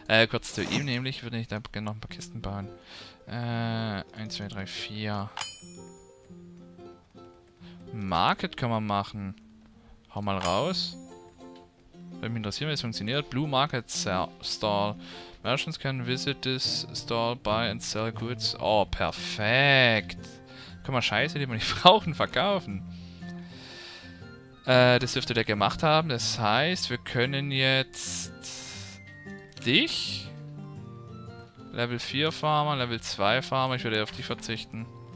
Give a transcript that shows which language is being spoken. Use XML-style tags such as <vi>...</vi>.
<de>kurz zu ihm nämlich, würde ich da gerne noch ein paar Kisten bauen. 1, 2, 3, 4. Market können wir machen. Hau mal raus. Würde mich interessieren, wie es funktioniert. Blue Market Stall.</de> <en>Merchants can visit this stall, buy and sell goods.</en> <de>Oh, perfekt. Guck mal, Scheiße, die wir nicht brauchen, verkaufen. Das dürfte der gemacht haben. Das heißt, wir können jetzt dich, Level 4 Farmer, Level 2 Farmer, ich würde auf dich verzichten.</de>